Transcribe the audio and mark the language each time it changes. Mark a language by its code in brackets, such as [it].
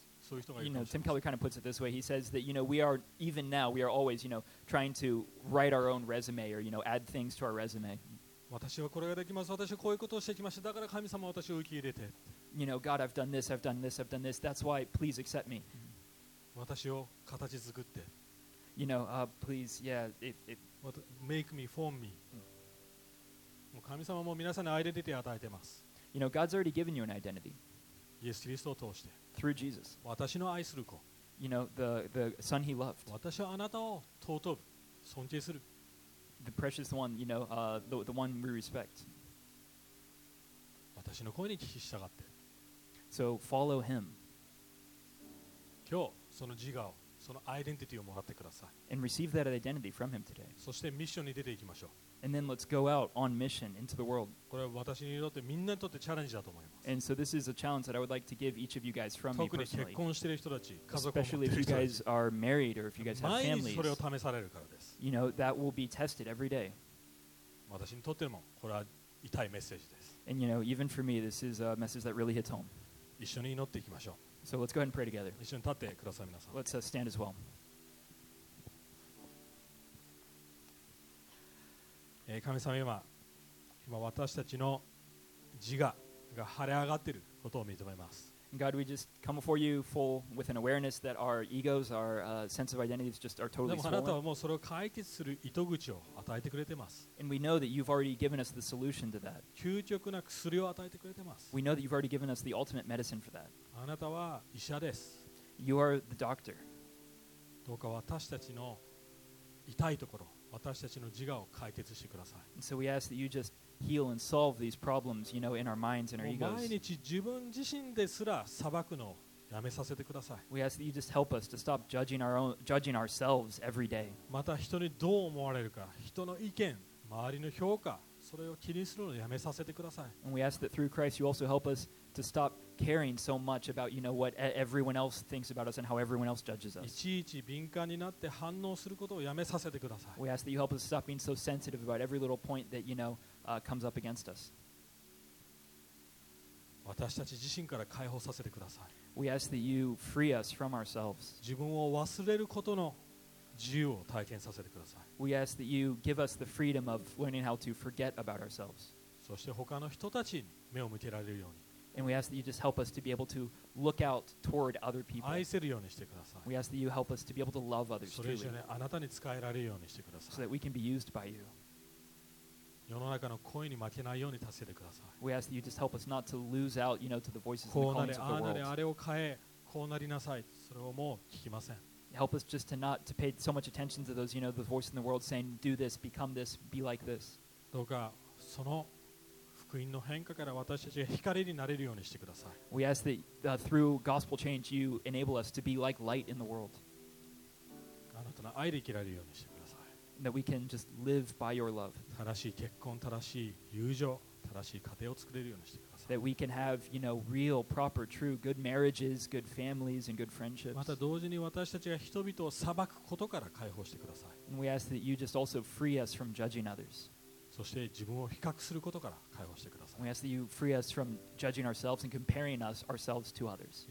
[en] You know, Tim Keller kind of puts it this way. He says that, you know, we are, even now, we are always, you know, trying to write our own resume or, you know, add things to our resume. [ja] 私はこれができます。私はこういうことをしてきました。だから神様は私を受け入れて。 [en] You know, God, I've done this, I've done this, I've done this. That's why, please accept me. [ja] 私を形作って。 [en] You know, please, yeah, make me, form me. [ja] もう神様も皆さんにアイデンティティを与えてます。 [en] You know, God's already given you an identity. [ja] イエス・キリストを通して。 [en] Through Jesus. [ja] 私の愛する子。 [en] You know, the son he loved. [ja] 私はあなたを尊ぶ、尊敬する。 [en] The precious one, you know, the one we respect. [ja] 私の声に聞き従って。 [en] So follow him. [ja] 今日、その自我を、そのアイデンティティをもらってください。 [en] And receive that identity from him today. [ja] そしてミッションに出ていきましょう。 [en] And then let's go out on mission into the world. [ja] これは私にとってみんなにとってチャレンジだと思います。 [en] And so this is a challenge that I would like to give each of you guys from me personally. [ja] 特に結婚してる人たち、家族を持ってる人たち。 [en] Especially if you guys are married or if you guys have families. [ja] 毎日それを試されるからです。 [en] You know, that will be tested every day. [ja] 私にとってもこれは痛いメッセージです。 [en] And you know, even for me, this is a message that really hits home. [ja] 一緒に祈っていきましょう。 [en] So let's go ahead and pray together. [ja] 一緒に立ってください、皆さん。 [en] Let's stand as well. [ja] 神様は今私たちの自我が腫れ上がっていることを認めます。 [en] God, we just come before you full with an awareness that our egos, our sense of identity is just are totally swollen. [ja] でもあなたはもうそれを解決する糸口を与えてくれてます。 [en] And we know that you've already given us the solution to that. [ja] 究極な薬を与えてくれてます。 [en] We know that you've already given us the ultimate medicine for that. [ja] あなたは医者です。 [en] You are the doctor. [ja] どうか私たちの痛いところ。私たちの自我を解決してください。 [en] And so we ask that you just heal and solve these problems, you know, in our minds and our egos. [ja] 毎日自分自身ですら裁くのをやめさせてください。 [en] We ask that you just help us to stop judging ourselves every day. [ja] また人にどう思われるか、人の意見、周りの評価、それを気にするのをやめさせてください。 [en] And we ask that through Christ you also help us to stop caring so much about, you know, what everyone else thinks about us and how everyone else judges us. [ja] いちいち敏感になって反応することをやめさせてください。 [en] We ask that you help us stop being so sensitive about every little point that, you know, comes up against us. [ja] 私たち自身から解放させてください。 [en] We ask that you free us from ourselves. [ja] 自分を忘れることの自由を体験させてください。 [en] We ask that you give us the freedom of learning how to forget about ourselves. [ja] そして他の人たちに目を向けられるように。 [en] And we ask that you just help us to be able to look out toward other people. [ja] 愛せるようにしてください。 [en] We ask that you help us to be able to love others truly. [ja] それ以上ね、あなたに使えられるようにしてください。 [en] So that we can be used by you. [ja] 世の中の声に負けないように助けてください。 [en] We ask that you just help us not to lose out, you know, to the voices and the callings of the world. [ja] こうなれ、ああなれ、あれを変え、こうなりなさい。それをもう聞きません。 [en] Help us just to not to pay so much attention to those, you know, the voice in the world saying, do this, become this, be like this. [ja] どうかその福音の変化から私たちが光になれるようにしてください。 [en] We ask that through gospel change you enable us to be like light in the world. [ja] あなたの愛で生きられるようにしてください。 [en] That we can just live by your love. [ja] 正しい結婚、正しい友情、正しい家庭を作れるようにしてください。 [en] That we can have, you know, real, proper, true, good marriages, good families, and good friendships. [ja] また同時に私たちが人々を裁くことから解放してください。 [en] And we ask that you just also free us from judging others. [ja] そして自分を比較することから解放してください。 [en] We ask that you free us from judging ourselves and comparing ourselves to others.